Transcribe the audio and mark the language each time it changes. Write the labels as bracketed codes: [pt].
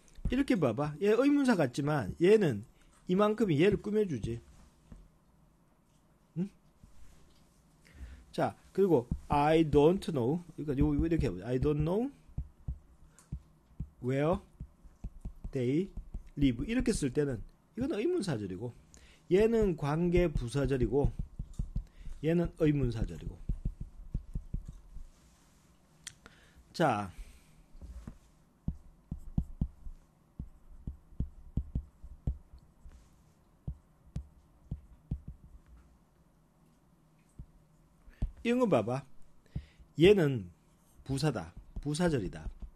[ko] 이렇게 봐봐. 얘 의문사 같지만 얘는 이만큼이 얘를 꾸며주지. 응? [en] 자, 그리고 I don't know. [ko] 그러니까 이렇게 해보자. [en] I don't know where they live. [ko] 이렇게 쓸 때는 이건 의문사절이고 얘는 관계부사절이고 얘는 의문사절이고. 자, 이런 거 봐봐. 얘는 부사다. 부사절이다.